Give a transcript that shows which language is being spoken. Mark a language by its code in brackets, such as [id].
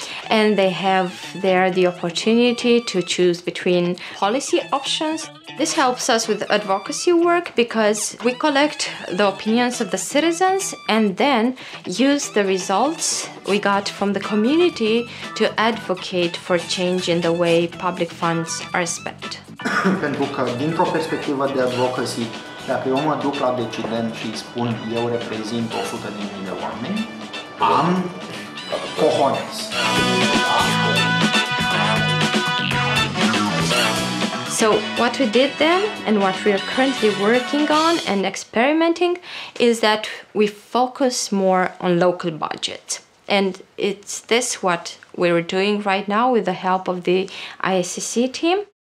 [en] And they have there the opportunity to choose between policy options. This helps us with advocacy work because we collect the opinions of the citizens and then use the results we got from the community to advocate for change in the way public funds are spent. [ro] Pentru că, dintr-o perspectivă de advocacy, dacă eu mă duc la decident și spun eu reprezint 100 de mii de oameni, am cojones. [en] So what we did then and what we are currently working on and experimenting is that we focus more on local budgets. And it's this what we're doing right now with the help of the IACC team.